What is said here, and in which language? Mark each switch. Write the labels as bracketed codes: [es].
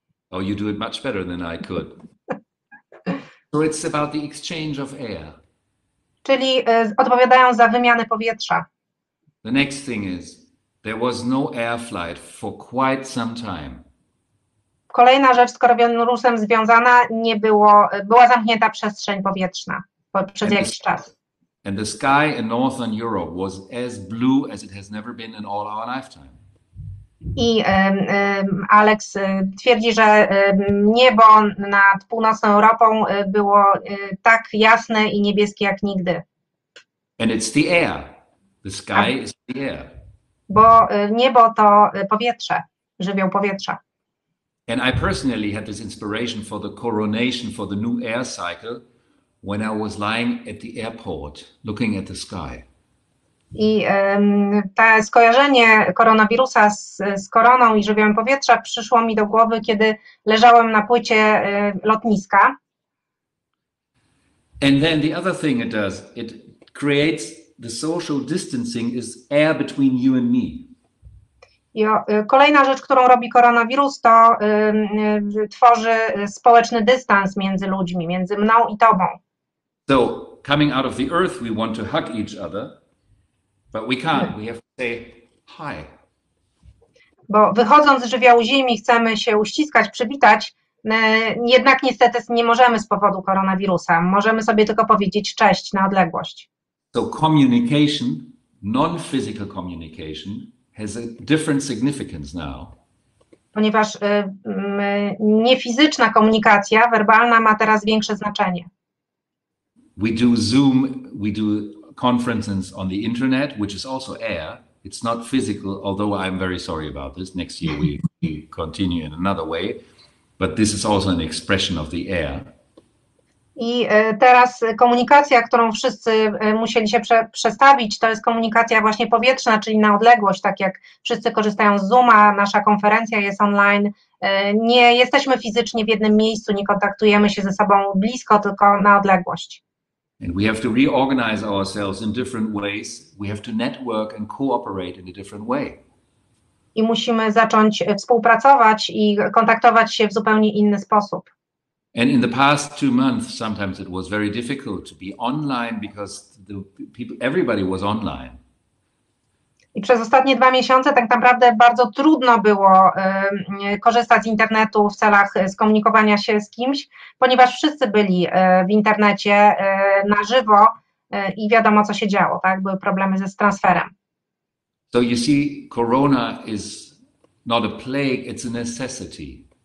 [en] Oh, you do it much better than I could. So it's about the exchange of air. [pl] Czyli odpowiadają za wymianę powietrza. [en] The next thing is, there was no air flight for quite some time. [pl] Kolejna rzecz z koronawirusem związana nie było, była zamknięta przestrzeń powietrzna przez jakiś czas. [en] And the sky in northern Europe was as blue as it has never been in all our lifetime. [pl] I Alex twierdzi, że niebo nad północną Europą było tak jasne i niebieskie jak nigdy. [en] And it's the air. The sky is the air. [pl] Bo niebo to powietrze, żywioł powietrza. [en] And I personally had this inspiration for the coronation for the new air cycle when I was lying at the airport looking at the sky. [pl] I to skojarzenie koronawirusa z koroną i żywiołem powietrza przyszło mi do głowy, kiedy leżałem na płycie lotniska. [en] And then the other thing it does, it creates the social distancing is air between you and me. [pl] I kolejna rzecz, którą robi koronawirus, to tworzy społeczny dystans między ludźmi, między mną i tobą. [en] So, coming out of the earth, we want to hug each other. But we can't. We have to say hi. [pl] Bo wychodząc z żywiołu ziemi chcemy się uściskać, przywitać, jednak niestety nie możemy z powodu koronawirusa. Możemy sobie tylko powiedzieć cześć na odległość. [en] So communication, non-physical communication has a different significance now. [pl] Ponieważ niefizyczna komunikacja werbalna ma teraz większe znaczenie. [en] We do Zoom, we do conferences on the internet, which is also air. It's not physical, although I'm very sorry about this. Next year we continue in another way, but this is also an expression of the air. [pl] I teraz komunikacja, którą wszyscy musieli się przestawić, to jest komunikacja właśnie powietrzna, czyli na odległość, tak jak wszyscy korzystają z Zooma, nasza konferencja jest online. Nie jesteśmy fizycznie w jednym miejscu, nie kontaktujemy się ze sobą blisko, tylko na odległość. [en] And we have to reorganize ourselves in different ways. We have to network and cooperate in a different way. [pl] I musimy zacząć współpracować i kontaktować się w zupełnie inny sposób. [en] And in the past 2 months, sometimes it was very difficult to be online because the people, everybody was online. [pl] I przez ostatnie 2 miesiące tak naprawdę bardzo trudno było korzystać z internetu w celach skomunikowania się z kimś, ponieważ wszyscy byli w internecie na żywo i wiadomo, co się działo, tak? Były problemy z transferem. [en] So you see, corona is not a plague, it's a necessity.